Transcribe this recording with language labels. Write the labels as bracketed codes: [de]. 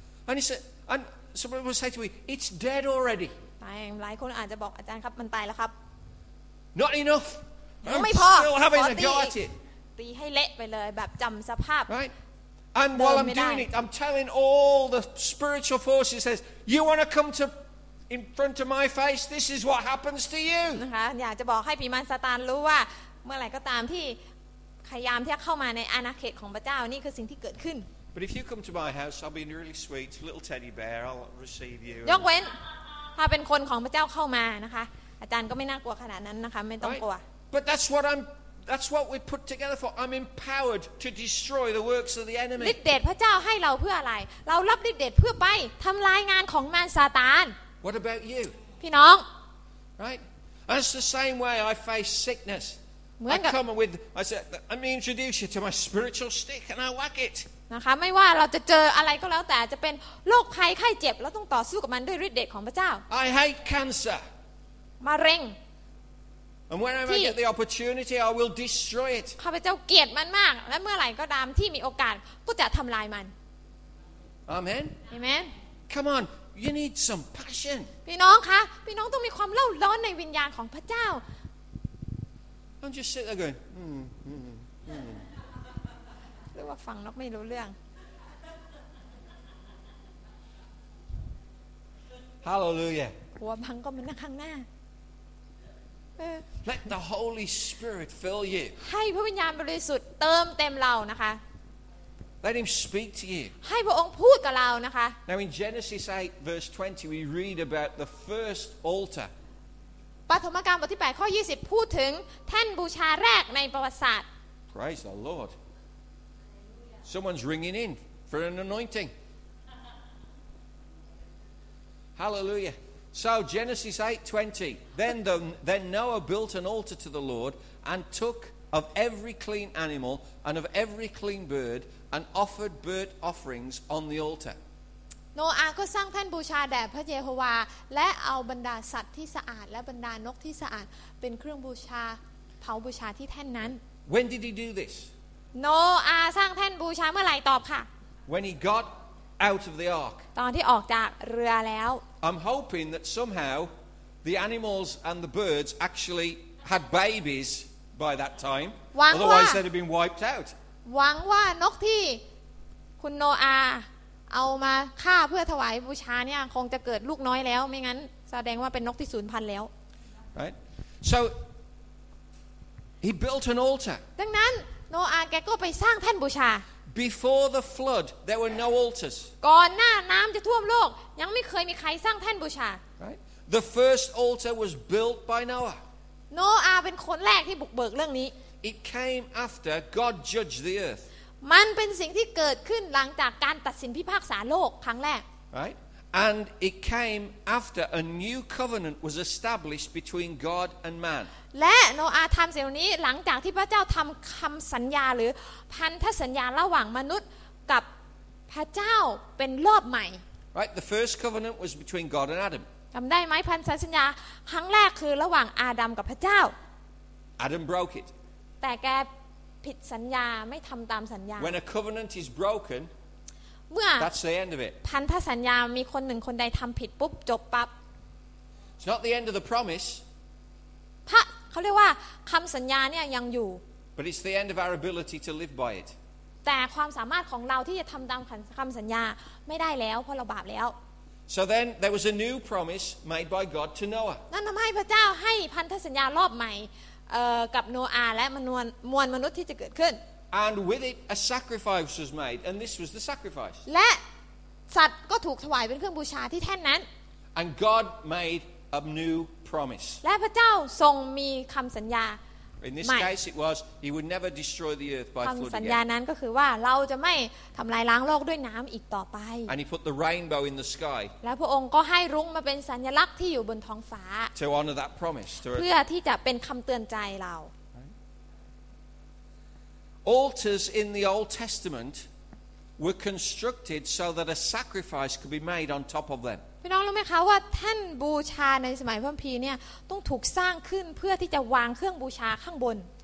[en] And he said, and somebody will say to me, it's dead already. [th] หลายคนอาจจะบอกอาจารย์ครับมันตายแล้วครับ [en] Not enough. [th] ไม่พอ [en] Still having a go at it. [th] ตีให้เละไปเลยแบบจำสภาพ [en] Right. And while I'm doing it, I'm telling all the spiritual forces, says, you want to come toIn front of my face, this is what happens to you. [th] นะคะอยากจะบอกให้ผีมารซาตานรู้ว่าเมื่อไหร่ก็ตามที่พยายามที่จะเข้ามาในอาณาเขตของพระเจ้านี่คือสิ่งที่เกิดขึ้น [en] But if you come to my house, I'll be really sweet, little teddy bear, I'll receive you. [th] ยกเว้นถ้าเป็นคนของพระเจ้าเข้ามานะคะอาจารย์ก็ไม่น่ากลัวขนาดนั้นนะคะไม่ต้องกลัว [en] But that's what I'm That's what we put together for. I'm empowered to destroy the works of the enemy. [th] ฤทธิ์เดชพระเจ้าให้เราเพื่ออะไรเรารับฤทธิ์เดชเพื่อไปทำลายงานของมารซาตาน [en] What about you? [th] พี่น้อง [en] Right? That's the same way I face sickness. I come with I said let me introduce you to my spiritual stick and I whack it. [th] นะคะไม่ว่าเราจะเจออะไรก็แล้วแต่จะเป็นโรคภัยไข้เจ็บเราต้องต่อสู้กับมันด้วยฤทธิ์เดชของพระเจ้า [en] I hate cancer [th] มะเร็ง [en] And whenever I get the opportunity I will destroy it [th] ข้าพเจ้าเกลียดมันมากและเมื่อไหร่ก็ตามที่มีโอกาสก็จะทำลายมัน [en] Amen Amen Come on you need some passion [th] พี่น้องคะพี่น้องต้องมีความเล่าร้อนในวิญญาณของพระเจ้า [en] Don't just sit there going [th] หรือว่าฟังนกไม่รู้เรื่อง ฮาโลลูยา หัวพังก็มานั่งข้างหน้า [en] Let the Holy Spirit fill you [th] ให้พระวิญญาณบริสุทธิ์เติมเต็มเรานะคะ [en] Let him speak to you [th] ให้พระองค์พูดกับเรานะคะ [en] Now in Genesis 8 verse 20 we read about the first altar [th] ปฐมกาลบทที่8ข้อ20พูดถึงแท่นบูชาแรกในประวัติศาสตร์ [en] Praise the LordSomeone's ringing in for an anointing. Hallelujah. So Genesis 8:20. Then Noah built an altar to the Lord and took of every clean animal and of every clean bird and offered burnt offerings on the altar. [th] Noah ก็สร้างแท่นบูชาแด่พระเยโฮวาและเอาบรรดาสัตว์ที่สะอาดและบรรดานกที่สะอาดเป็นเครื่องบูชาเผาบูชาที่แท่นนั้น [en] When did he do this? [th] โนอาสร้างแท่นบูชาเมื่อไหร่ตอบค่ะ [en] When he got out of the ark [th] ตอนที่ออกจากเรือแล้ว [en] I'm hoping that somehow the animals and the birds actually had babies by that time otherwise they'd have been wiped out [th] หวังว่านกที่คุณโนอาเอามาฆ่าเพื่อถวายบูชาเนี่ยคงจะเกิดลูกน้อยแล้วไม่งั้นแสดงว่าเป็นนกที่สูญพันธุ์แล้ว [en] Right So he built an altar [th] ดังนั้นโนอาห์แกก็ไปสร้างแท่นบูชา [en] Before the flood there were no altars [th] ก่อนหน้าน้ำจะท่วมโลกยังไม่เคยมีใครสร้างแท่นบูชา [en] Right The first altar was built by Noah [th] โนอาห์เป็นคนแรกที่บุกเบิกเรื่องนี้ [en] It came after God judged the earth [th] มันเป็นสิ่งที่เกิดขึ้นหลังจากการตัดสินพิพากษาโลกครั้งแรก [en] Right And it came after a new covenant was established between God and man [th] และโนอาห์ทำสิ่งนี้หลังจากที่พระเจ้าทำคำสัญญาหรือพันธสัญญาระหว่างมนุษย์กับพระเจ้าเป็นรอบใหม่ [en] Right the first covenant was between God and Adam [th] จำได้ไหมพันธสัญญาครั้งแรกคือระหว่างอาดัมกับพระเจ้า [en] Adam broke it [th] แต่แกผิดสัญญาไม่ทำตามสัญญา [en] When a covenant is broken [th] เมื่อ [en] That's the end of it. [th] พันธสัญญามีคนหนึ่งคนใดทำผิดปุ๊บจบปั๊บ [en] It's not the end of the promise [th] พระเขาเรียกว่าคำสัญญาเนี่ยยังอยู่ [en] But it's the end of our ability to live by it [th] แต่ความสามารถของเราที่จะทำตามคำสัญญาไม่ได้แล้วเพราะเราบาปแล้ว [en] So then there was a new promise made by God to Noah [th] นั่นทำให้พระเจ้าให้พันธสัญญารอบใหม่กับโนอาห์และมวลมนุษย์ที่จะเกิดขึ้น [en] And with it, a sacrifice was made, and this was the sacrifice. [th] และสัตว์ก็ถูกถวายเป็นเครื่องบูชาที่แท่นนั้น [en] And God made a new promise. [th] และพระเจ้าทรงมีคำสัญญา [en] In this case, it was He would never destroy the earth by flood again. [th] คำสัญญานั้นก็คือว่าเราจะไม่ทำลายล้างโลกด้วยน้ำอีกต่อไป [en] And He put the rainbow in the sky. [th] และพระองค์ก็ให้รุ้งมาเป็นสัญลักษณ์ที่อยู่บนท้องฟ้า [en] To honor that promise. [th] เพื่อที่จะเป็นคำเตือนใจเรา [en] Altars in the Old Testament were constructed so that a sacrifice could be made on top of them. [th] พี่น้องรู้ไหมคะว่าแท่นบูชาในสมัยพระคัมภีร์เนี่ยต้องถูกสร้างขึ้นเพื่อที่จะวางเครื่องบูชาข้างบน